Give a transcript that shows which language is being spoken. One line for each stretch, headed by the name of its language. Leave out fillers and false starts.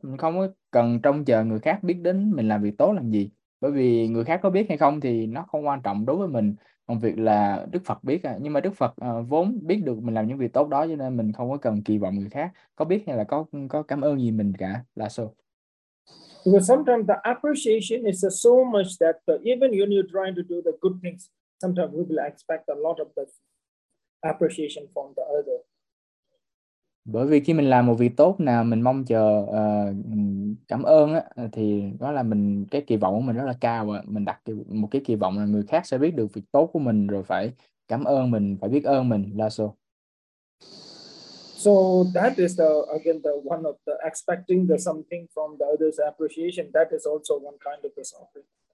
Vietnamese: Mình không có cần trông chờ người khác biết đến mình làm việc tốt làm gì. Bởi vì người khác có biết hay không thì nó không quan trọng đối với mình. Còn việc là Đức Phật biết. Nhưng mà Đức Phật vốn biết được mình làm những việc tốt đó cho nên mình không có cần kỳ vọng người khác có biết hay là có cảm ơn gì mình cả. Là so.
English: Because sometimes the appreciation is so much that even when you're trying to do the good things, sometimes we will expect a lot of the appreciation from the other.
Vietnamese: Bởi vì khi mình làm một việc tốt nào, mình mong chờ cảm ơn á, thì đó là mình cái kỳ vọng của mình rất là cao. Mình đặt một cái kỳ vọng là người khác sẽ biết được việc tốt của mình rồi phải cảm ơn mình, phải biết ơn mình. Lasso.
English: So that is the again the one of the expecting the something from the other's appreciation. That is also one kind of the suffering.